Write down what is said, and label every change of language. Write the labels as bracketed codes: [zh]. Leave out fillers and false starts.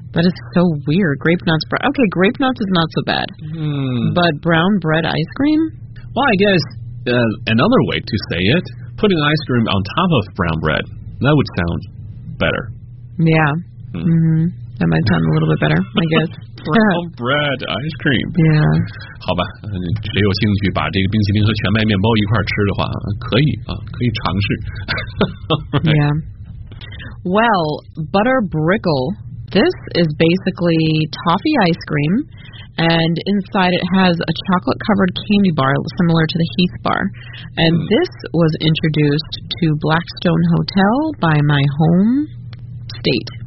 [en] That is so weird. Grape nuts bread. Okay, grape nuts is not so bad. Mm. But brown bread ice cream? Well, I guess another way to say it, putting ice cream on top of brown bread, that would sound better. Yeah. Mm. Mm-hmm. That might sound a little bit better, I guess. Brown bread ice cream. Yeah. [zh] 好吧，谁有兴趣把这个冰淇淋和全麦面包一块吃的话，可以啊，可以尝试。 [en] right. Yeah. Well, butter brickle. This is basically toffee ice cream, and inside it has a chocolate-covered candy bar similar to the Heath bar. And this was introduced to Blackstone Hotel by my home state.